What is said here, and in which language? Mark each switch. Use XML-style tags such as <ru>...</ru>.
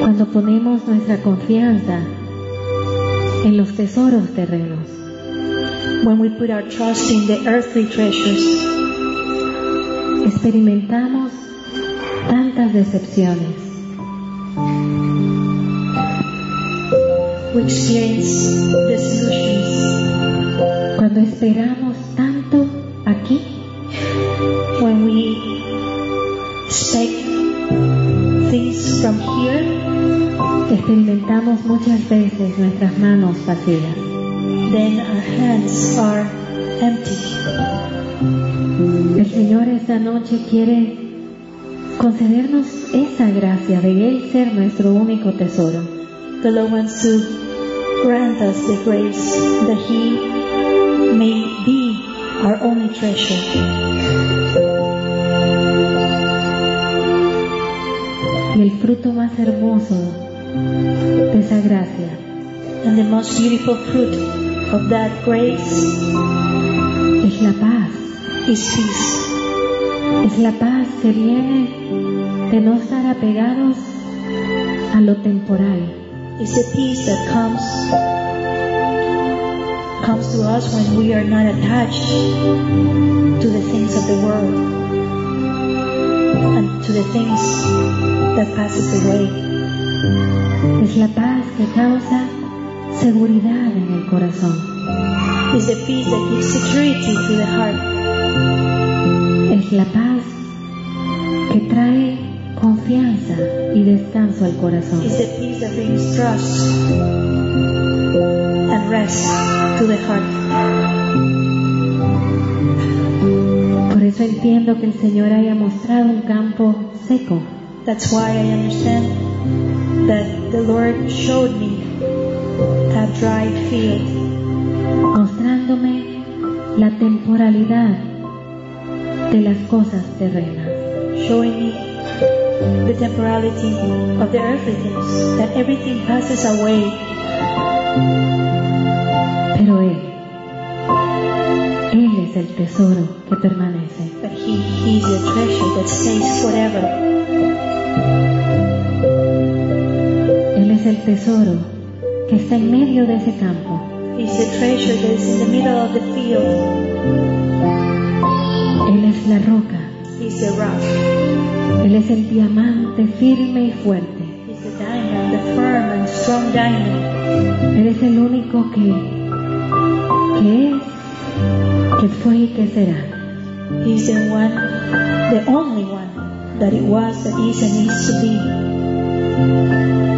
<es>Cuando ponemos nuestra confianza en los tesoros terrenos.</es> <en>When we put our trust in the earthly treasures.</en> <es>Experimentamos tantas decepciones.</es> <en>We experience disillusions.</en> <es>Cuando esperamos tanto aquí.</es> <en>When we expect things from here.</en> <es>Experimentamos muchas veces nuestras manos vacías.</es> <en>Then our hands are empty.</en> <es>El Señor esta noche quiere concedernos esa gracia de Él ser nuestro único tesoro.</es> <en>The Lord wants to grant us the grace that He may be our only treasure.</en> <es>Y el fruto más hermoso de esa gracia.</es> <en>And the most beautiful fruit of that grace</en> <es>es la paz.</es> <en>Is peace.</en> <es>Es la paz que viene de no estar apegados a lo temporal.</es> <en>It's the peace that comes to us when we are not attached to the things of the world and to the things that passes away.</en> <es>Es la paz que causa seguridad en el corazón.</es> <en>Is the peace that gives security to the heart.</en> <es>Es la paz que trae confianza y descanso al corazón.</es> <en>Is the peace that brings trust and rest to the heart.</en> <es>Por eso entiendo que el Señor haya mostrado un campo seco.</es> <en>That's why I understand that the Lord showed me that dry field,</en> <es>mostrándome la temporalidad de las cosas terrenas,</es> <en>showing me the temporality of the earthly things, that everything passes away.</en> <es>Pero él es el tesoro que permanece.</es> <en>But he is the treasure that stays forever.</en> <es>Es el tesoro que está en medio de ese campo.</es> <en>He's the treasure that is in the middle of the field.</en> <es>Él es la roca.</es> <en>He's the rock.</en> <es>Él es el diamante firme y fuerte.</es> <en>He's the diamond, the firm and strong diamond.</en> <es>Él es el único que es, que fue y que será.</es> <en>He's the one, the only one, that it was, that is, and needs to be.</en>